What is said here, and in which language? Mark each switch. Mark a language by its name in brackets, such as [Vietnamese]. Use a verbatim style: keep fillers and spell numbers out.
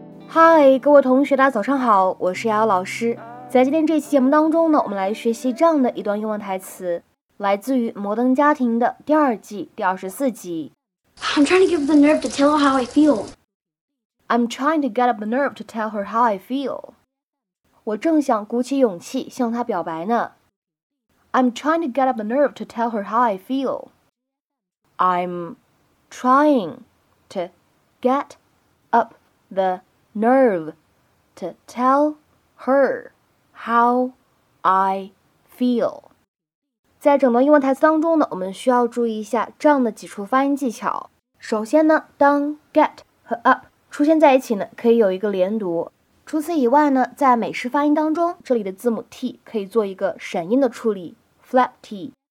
[Chinese] 嗨，各位同学，大家早上好，我是瑶瑶老师。在今天这期节目当中呢，我们来学习这样的一段英文台词，来自于《摩登家庭》的第二季第二十四集。 [English] I'm trying to get up the nerve to tell her how I feel. I'm trying to get up the nerve to tell her how I feel. [Chinese] 我正想鼓起勇气向她表白呢。 [English] I'm trying to get up the nerve to tell her how I feel. I'm trying to get up the nerve to tell her how I feel. [Chinese] 在整段英文台词当中呢，我们需要注意一下这样的几处发音技巧。首先呢，当 get 和 up 出现在一起呢，可以有一个连读。除此以外呢，在美式发音当中，这里的字母 t 可以做一个闪音的处理 ，flat t。